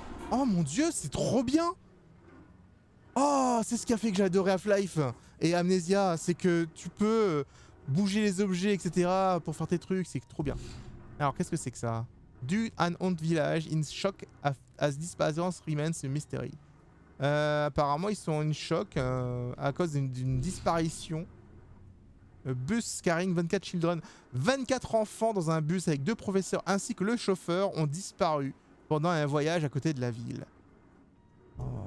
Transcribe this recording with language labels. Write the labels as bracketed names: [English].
[French] Oh mon dieu, c'est trop bien. Oh, c'est ce qui a fait que j'adorais Half-Life et Amnesia, c'est que tu peux bouger les objets, etc. pour faire tes trucs, c'est trop bien. Alors, qu'est-ce que c'est que ça? [English] Do an haunt village in shock as disappearance remains a mystery. [French] Apparemment, ils sont en choc à cause d'une disparition. [English] Bus carrying 24 children. [French] 24 enfants dans un bus avec deux professeurs ainsi que le chauffeur ont disparu pendant un voyage à côté de la ville. Oh.